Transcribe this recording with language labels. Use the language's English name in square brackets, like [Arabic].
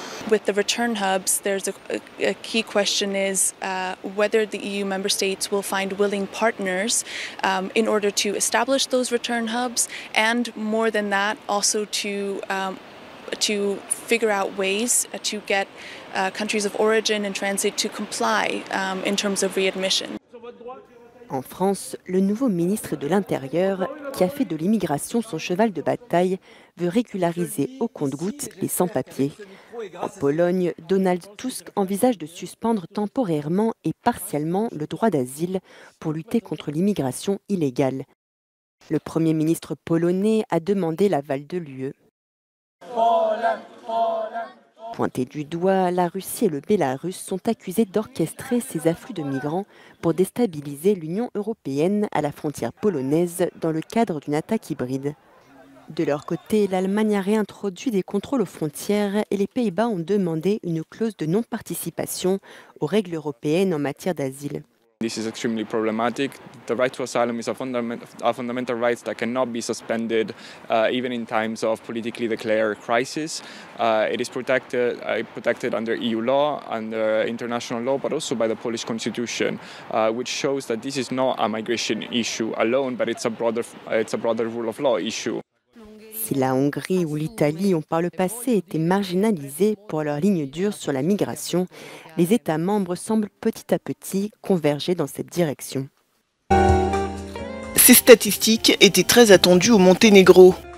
[English] With the return hubs, there's a key question is whether the EU member states will find willing partners in order to establish those return hubs, and more than that, also to figure out ways to get countries of origin and transit to comply in terms of readmission. [French] En France, le nouveau ministre de l'Intérieur, qui a fait de l'immigration son cheval de bataille, veut régulariser au compte-gouttes les sans-papiers. En Pologne, Donald Tusk envisage de suspendre temporairement et partiellement le droit d'asile pour lutter contre l'immigration illégale. Le Premier ministre polonais a demandé l'aval de l'UE. Pointé du doigt, la Russie et le Bélarus sont accusés d'orchestrer ces afflux de migrants pour déstabiliser l'Union européenne à la frontière polonaise dans le cadre d'une attaque hybride. De leur côté, l'Allemagne a réintroduit des contrôles aux frontières et les Pays-Bas ont demandé une clause de non-participation aux règles européennes en matière d'asile. [English] This is extremely problematic. The right to asylum is a fundamental right that cannot be suspended even in times of politically declared crisis. It is protected under EU law, under international law, but also by the Polish constitution, which shows that this is not a migration issue alone, but it's a broader rule of law issue. [French] Si la Hongrie ou l'Italie ont par le passé été marginalisées pour leur ligne dure sur la migration, les États membres semblent petit à petit converger dans cette direction. Ces statistiques étaient très attendues au Monténégro.